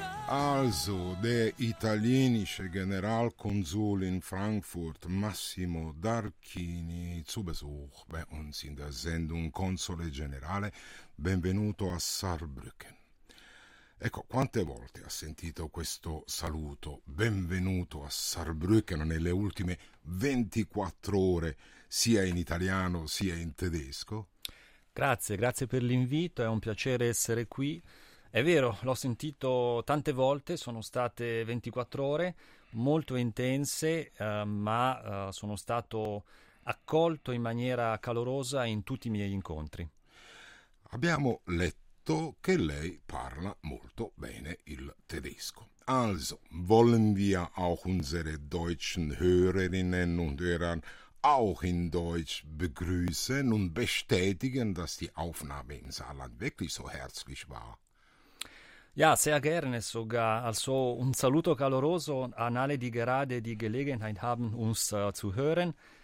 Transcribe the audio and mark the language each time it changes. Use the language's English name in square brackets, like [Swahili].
[German] Also, der italienische Generalkonsul in Frankfurt, Massimo D'Archini, zu Besuch bei uns in der Sendung Console Generale. [Italian] Benvenuto a Saarbrücken. Ecco, quante volte ha sentito questo saluto, benvenuto a Saarbrücken, nelle ultime 24 ore, sia in italiano sia in tedesco? Grazie, grazie per l'invito, è un piacere essere qui. È vero, l'ho sentito tante volte, sono state 24 ore molto intense, ma sono stato accolto in maniera calorosa in tutti i miei incontri. Abbiamo letto che lei parla molto bene il tedesco. [German] Also, wollen wir auch unsere deutschen Hörerinnen und Hörer auch in Deutsch begrüßen und bestätigen, dass die Aufnahme in Saarland wirklich so herzlich war. Ja, sehr gerne sogar. Also [Italian] un saluto caloroso [German] an alle, die gerade die Gelegenheit haben, uns zu hören.